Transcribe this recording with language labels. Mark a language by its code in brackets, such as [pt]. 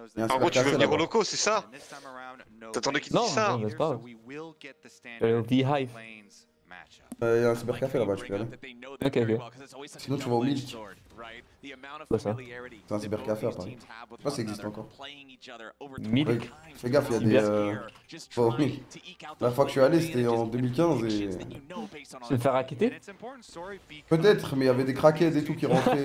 [fr] En gros, tu veux venir au loco, c'est ça? T'attendais qu'il dise ça? Non, c'est pas. Au V-Hive. Y'a un cybercafé là-bas, je peux aller. Ok, ok. Sinon, tu vas au mid. [en] right? The amount of familiarity that these teams have with one another, playing each other over 20 times. [fr] Fais gaffe, il y a des. Bon, oui. La fois que je suis allé, c'était en 2015 et. Tu veux me faire acquitter? Peut-être, mais il y avait des crackheads et tout qui rentraient.